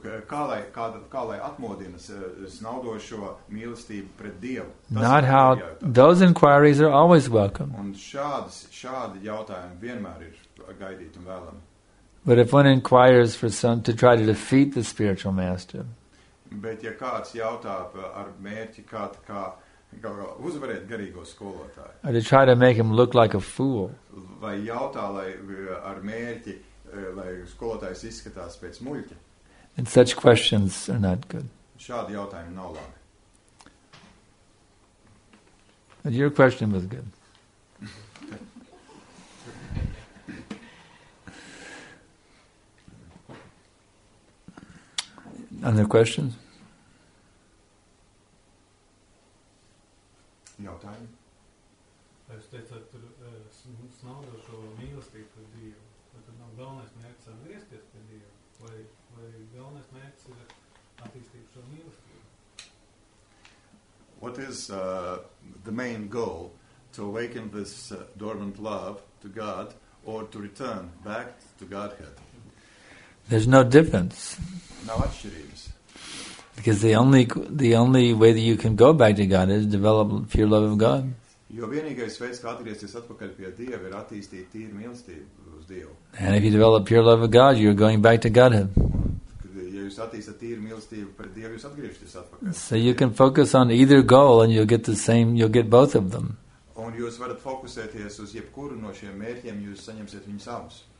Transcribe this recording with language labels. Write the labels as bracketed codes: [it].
[lv] Kā lai atmodina snaudošo mīlestību pret Dievu. [en] Tas not how those inquiries are always welcome. [lv] Un šādi jautājumi vienmēr ir gaidīti un vēlami. [en] But if one inquires for some to try to defeat the spiritual master. [lv] Bet ja kāds jautā ar mērķi kā uzvarēt garīgo skolotāju. [en] Or to try to make him look like a fool. [lv] Vai jautā, lai ar mērķi, lai skolotājs izskatās pēc muļķa. [en] And such questions are not good. [lv] Šādi jautājumi nav labi. [en] But your question was good. Other questions? [lv] Jautājumi? Es teicāt, tur snaudo šo mīlestību par Dievu. Vai tad nav galvenais mērķis atgriezties pie Dievu? Vai galvenais mērķis ir attīstīt šo mīlestību? [en] What is the main goal? To awaken this dormant love to God or to return back to Godhead? There's no difference. [lv] Nav atšķirības. [en] Because the only way that you can go back to God is develop pure love of God. [lv] Jo vienīgais veids, kā atgriezties atpakaļ pie Dieva, ir attīstīt tīru mīlestību uz Dievu. [en] And if you develop pure love of God, you're going back to Godhead. [lv] Ja jūs attīstāt tīru mīlestību pret Dievu, jūs atgriežaties atpakaļ. [en] So you can focus on either goal and you'll get the same, you'll get both of them. [lv] Un jūs varat fokusēties uz jebkuru no šiem mērķiem, jūs saņemsiet viņus abus.